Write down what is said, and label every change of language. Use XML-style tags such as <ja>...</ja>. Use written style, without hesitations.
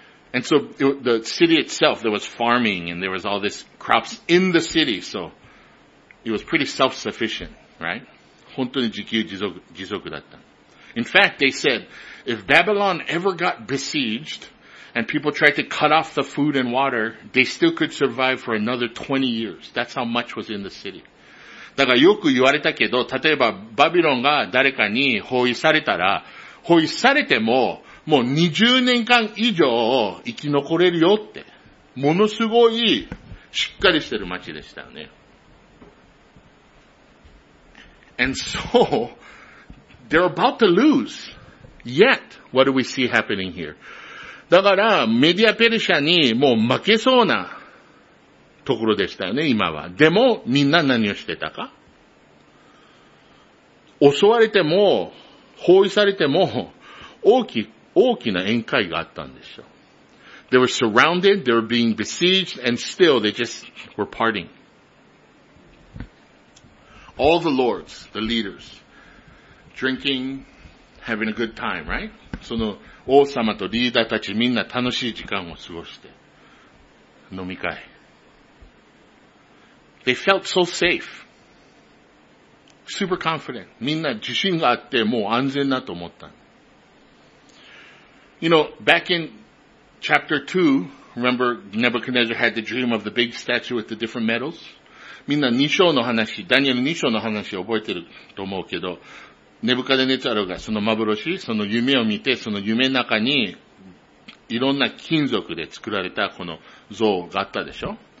<en>And so, the city itself, there was farming and there was all this crops in the city, so, it was pretty self-sufficient, right?</en> <ja>本当に自給自足だった。</ja> <en>In fact, they said, if Babylon ever got besieged and people tried to cut off the food and water, they still could survive for another 20 years. That's how much was in the city.</en> <ja>だからよく言われたけど、例えばバビロンが誰かに包囲されたら、包囲されてももう20年間以上生き残れるよって。ものすごいしっかりしてる街でしたよね。</ja> <en>And so, they're about to lose. Yet, what do we see happening here?</en> <ja>だから、メディアペルシャにもう負けそうなところでしたよね、今は。でも、みんな何をしてたか？襲われても、包囲されても、大きな宴会があったんでしょ。</ja> <en>They were surrounded, they were being besieged, and still they just were partying. All the lords, the leaders, drinking, having a good time, right?</en> <ja>その王様とリーダーたちみんな楽しい時間を過ごして、飲み会。</ja> <en>They felt so safe. Super confident.</en> <ja>みんな自信があってもう安全だと思った。</ja> <en>You know, back in chapter 2, remember Nebuchadnezzar had the dream of the big statue with the different metals?</en> <ja>みんな2章の話、ダニエル2章の話覚えてると思うけど、ネブカデネツァルがその幻、その夢を見て、その夢の中にいろんな金属で作られたこの像があったでしょ。</ja>